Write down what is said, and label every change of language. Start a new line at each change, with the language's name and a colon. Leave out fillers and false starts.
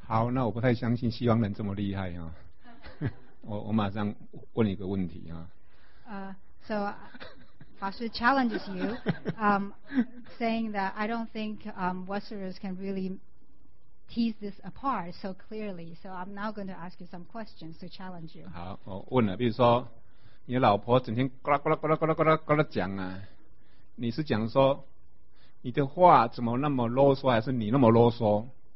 Chinese: 好，那我不太相信西方人这么厉害啊。我马上问你一个问题啊。
English: So, 法师 challenges you, saying that I don't think Westerners can really tease this apart so clearly. So I'm now going to ask you some questions to challenge you.
Chinese: 好，我问了，比如说。你老婆整天呱啦呱啦呱啦呱啦呱啦呱啦讲啊，你是讲说你的话怎么那么啰嗦，还是你那么啰嗦？